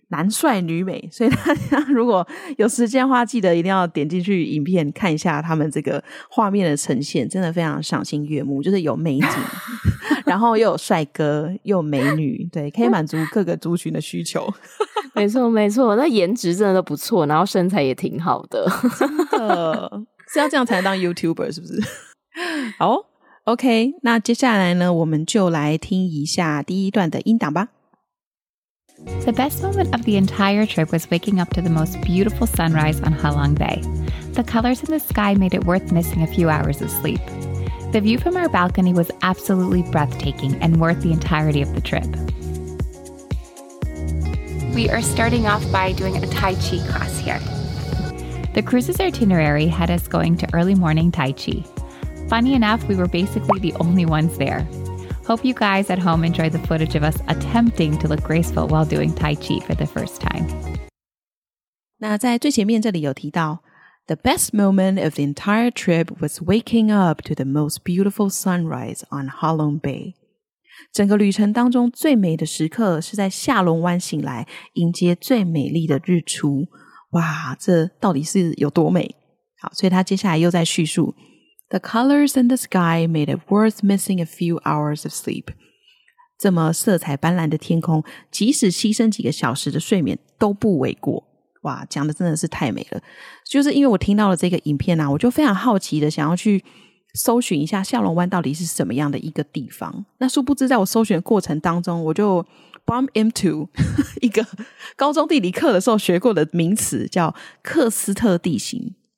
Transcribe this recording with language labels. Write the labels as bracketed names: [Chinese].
[Chinese] 男帅女美，所以大家如果有时间的话，记得一定要点进去影片看一下他们这个画面的呈现，真的非常赏心悦目，就是有美景然后又有帅哥又有美女，对，可以满足各个族群的需求没错没错，那颜值真的都不错，然后身材也挺好的真的是要这样才能当 YouTuber 是不是？好 OK， 那接下来呢我们就来听一下第一段的音档吧。 [English] The best moment of the entire trip was waking up to the most beautiful sunrise on Ha Long Bay. The colors in the sky made it worth missing a few hours of sleep. The view from our balcony was absolutely breathtaking and worth the entirety of the trip. We are starting off by doing a Tai Chi class here. The cruise's itinerary had us going to early morning Tai Chi. Funny enough, we were basically the only ones there. Hope you guys at home enjoy the footage of us attempting to look graceful while doing Tai Chi for the first time. 那在最前面这里有提到 The best moment of the entire trip was waking up to the most beautiful sunrise on Ha Long Bay. [Chinese] 整个旅程当中最美的时刻是在下龙湾醒来迎接最美丽的日出。哇，这到底是有多美？ [English] 好，所以他接下来又在叙述 The colors in the sky made it worth missing a few hours of sleep. [Chinese] 这么色彩斑斓的天空，即使牺牲几个小时的睡眠都不为过。哇，讲的真的是太美了。就是因为我听到了这个影片啊，我就非常好奇的想要去搜寻一下下龙湾到底是什么样的一个地方。那殊不知在我搜寻的过程当中，我就 bump into 一个高中地理课的时候学过的名词，叫克斯特地形。